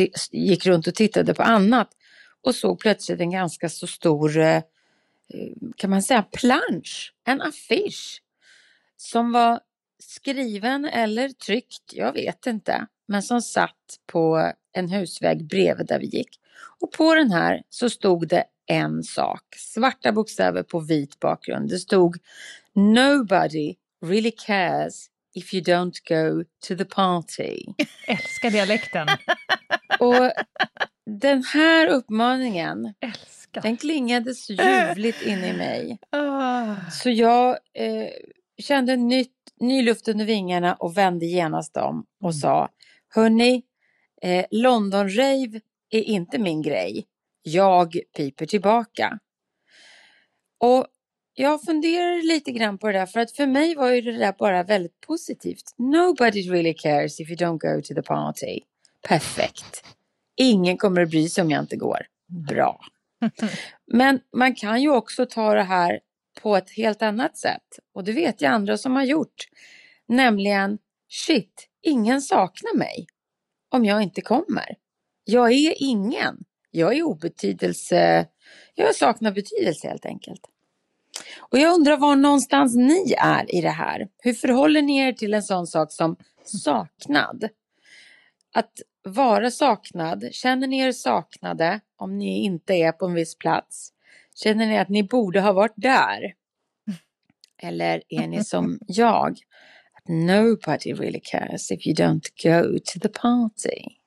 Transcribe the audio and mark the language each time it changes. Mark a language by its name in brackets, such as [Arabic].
[Swedish] Gick runt och tittade på annat och såg plötsligt en ganska så stor, kan man säga, plansch, en affisch som var skriven eller tryckt, jag vet inte, men som satt på en husväg bredvid där vi gick. Och på den här så stod det en sak, svarta bokstäver på vit bakgrund. Det stod: [English] "Nobody really cares if you don't go to the party." [Swedish] Älskar dialekten. Och den här uppmaningen, älskar, den klingade så ljuvligt in i mig. Så jag kände ny luft under vingarna och vände genast om och sa: "Hörrni, London rave är inte min grej. Jag piper tillbaka." Och jag funderar lite grann på det där, för att för mig var ju det där bara väldigt positivt. [English] Nobody really cares if you don't go to the party. [Swedish] Perfekt. Ingen kommer att bry sig om jag inte går. Bra. Men man kan ju också ta det här på ett helt annat sätt. Och det vet jag andra som har gjort. Nämligen, shit, ingen saknar mig om jag inte kommer. Jag är ingen. Jag är obetydelse. Jag saknar betydelse helt enkelt. Och jag undrar var någonstans ni är i det här. Hur förhåller ni er till en sån sak som saknad? Att vara saknad. Känner ni er saknade om ni inte är på en viss plats? Känner ni att ni borde ha varit där? Eller är ni som jag? Att [English] nobody really cares if you don't go to the party.